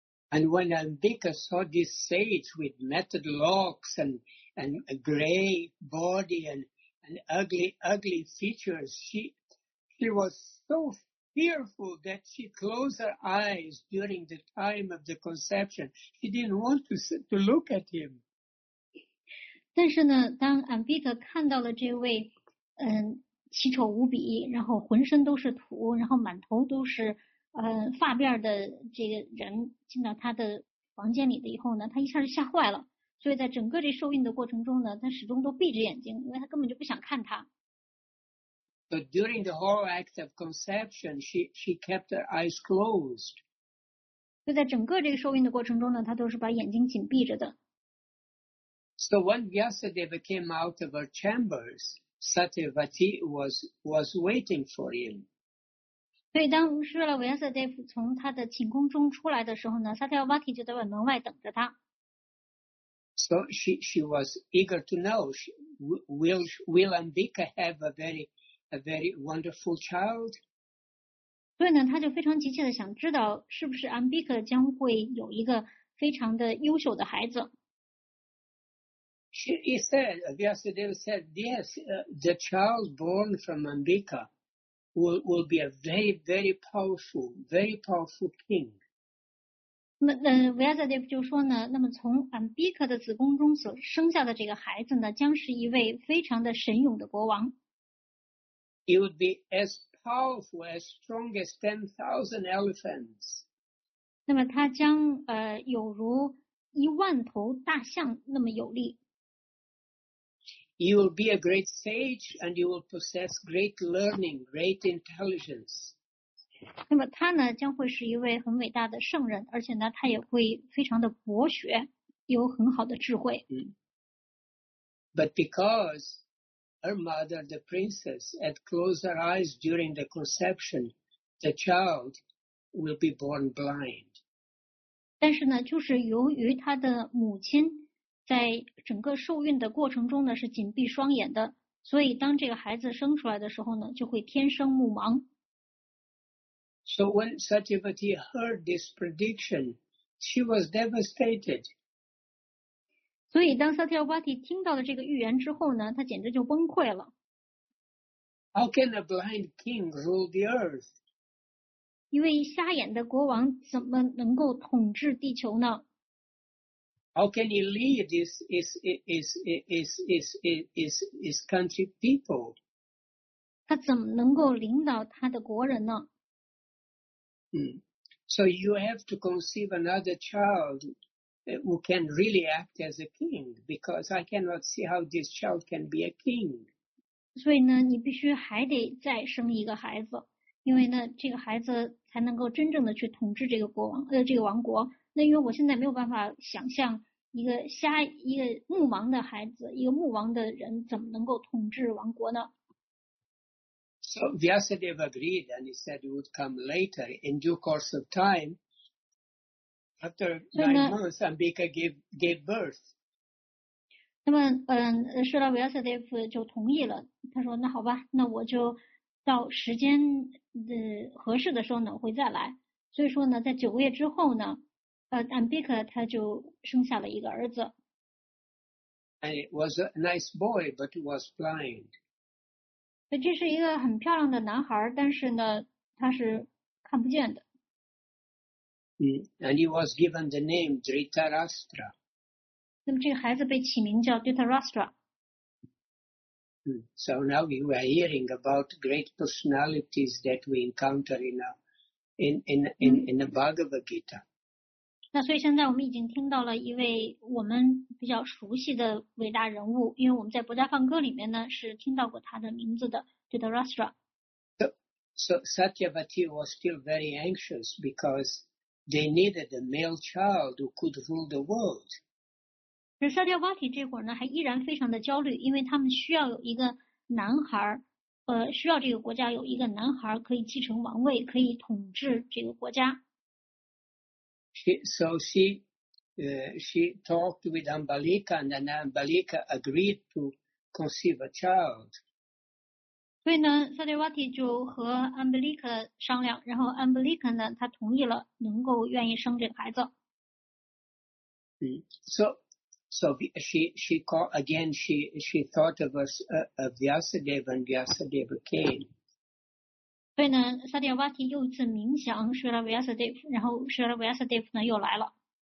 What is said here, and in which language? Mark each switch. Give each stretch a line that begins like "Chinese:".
English: And when Ambika saw this sage with matted locks and a gray body and ugly features, she was so. Fearful that she closed her eyes during the time of the conception. She didn't want to look at him.
Chinese: 但是呢，当安比卡看到了这位，奇丑无比，然后浑身都是土，然后满头都是发辫的这个人进到他的房间里的以后呢，他一下就吓坏了。所以在整个这受孕的过程中呢，他始终都闭着眼睛，因为他根本就不想看他。
English: But during the whole act of conception, she kept her eyes closed.
Chinese: 就在整个这个受孕的过程中呢，她都是把眼睛紧闭着的。
English: So when Vyasadeva came out of her chambers, Satyavati was waiting for him.
Chinese: 所以当施了维亚瑟德夫从他的寝宫中出来的时候呢，萨提奥瓦提就在门外等着他。
English: So she was eager to know, will Ambika have a very wonderful child.
Chinese: 所以呢，他就非常急切的想知道，是不是安比克将会有一个非常的优秀的孩子。
English: He said, Vyasadeva said, yes, the child born from Ambika will be a very, very powerful, very powerful king.
Chinese: 那Vyasadeva就说呢，那么从安比克的子宫中所生下的这个孩子呢，将是一位非常的神勇的国王。
English: He would be as powerful, as strong as 10,000 elephants.
Chinese: 那么他将有如一万头大象那么有力。
English: He will be a great sage, and he will possess great learning, great intelligence.
Chinese: 那么他呢将会是一位很伟大的圣人，而且呢他也会非常的博学，有很好的智慧。
English: But because her mother, the princess, had closed her eyes during the conception, the child will be born blind.
Chinese: 但是呢，就是由于她的母亲在整个受孕的过程中呢是紧闭双眼的，所以当这个孩子生出来的时候呢，就会天生目盲。
English: So when Satyavati heard this prediction, she was devastated.
Chinese: 所以当萨提奥巴提听到了这个预言之后呢，他简直就崩溃了。
English: How can a blind king rule the earth?
Chinese: 一位瞎眼的国王怎么能够统治地球呢？
English: How can he lead his country people?
Chinese: 他怎么能够领导他的国人呢？
English: So you have to conceive another child. Who can really act as a king? Because I cannot see how this child can be a king.
Chinese: 所以呢，你必须还得再生一个孩子，因为呢，这个孩子才能够真正的去统治这个国王，这个王国。那因为我现在没有办法想象一个目盲的孩子，一个目盲的人怎么能够统治王国呢？
English: So Vyasadeva agreed, and he said he would come later in due course of time. After 9 months, Ambika gave birth.
Chinese: 那么，施拉维亚瑟德夫就同意了。他说：“那好吧，那我就到时间的合适的时候呢，我会再来。” 所以说呢，在9个月之后呢，Ambika 他就生下了一个儿子。
English: And it was a nice boy, but it was blind.
Chinese: 这是一个很漂亮的男孩，但是呢，他是看不见的。
English: And he was given the name Dhritarashtra.
Chinese: 那么这个孩子被起名叫 Dhritarashtra。
English: So now we are hearing about great personalities that we encounter in the Bhagavad Gita.
Chinese: 那所以现在我们已经听到了一位我们比较熟悉的伟大人物，因为我们在《博家梵歌》里面呢是听到过他的名字的 ，Dhritarashtra。
English: So Satyavati was still very anxious because they needed a male child who could rule the world.
Chinese: 而萨迦瓦提这会儿呢还依然非常的焦虑，因为他们需要有一个男孩，需要这个国家有一个男孩可以继承王位，可以统治这个国家。
English: So she talked with Ambalika and then Ambalika agreed to conceive a child.
Chinese: 所以呢萨迦瓦提就和 Ambalika 商量，然后 Ambalika 呢他同意了能够愿意生这个孩子。
English: So she thought of us, of Vyasadeva, and Vyasadeva came.
Chinese: 所以呢萨迦瓦提又一次冥想舍拉维亚萨德夫，然后舍拉维亚萨德夫呢又来了。